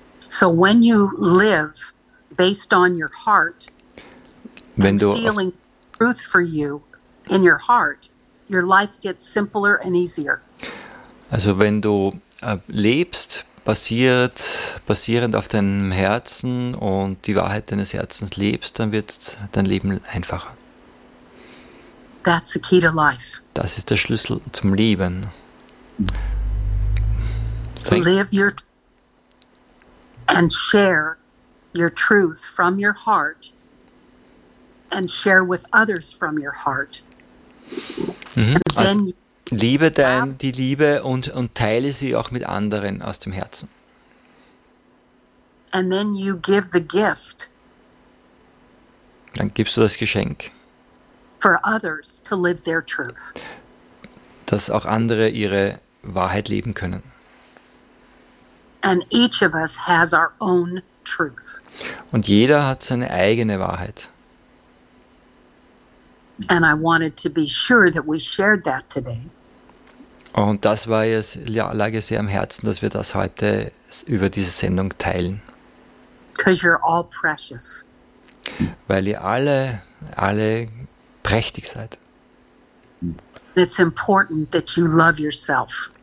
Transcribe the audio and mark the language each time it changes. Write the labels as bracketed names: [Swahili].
[English] So when you live based on your heart, [German] wenn du [English] feeling truth for you in your heart, your life gets simpler and easier. [German] Also wenn du lebst, basierend auf deinem Herzen und die Wahrheit deines Herzens lebst, dann wird dein Leben einfacher. [English] That's the key to life. [German] Das ist der Schlüssel zum Leben. [English] Live your and share your truth from your heart and share with others from your heart. Mhm. [German] Also, liebe dein die Liebe und teile sie auch mit anderen aus dem Herzen. [English] And then you give the gift. [German] Dann gibst du das Geschenk. [English] For others to live their truth. [German] Dass auch andere ihre Wahrheit leben können. [English] And each of us has our own truth. [German] Und jeder hat seine eigene Wahrheit. [English] And I wanted to be sure that we shared that today. [German] Und das war es, lag es sehr am Herzen, dass wir das heute über diese Sendung teilen. [English] Because you're all precious. [German] Weil ihr alle prächtig seid. [English] It's important that you love yourself.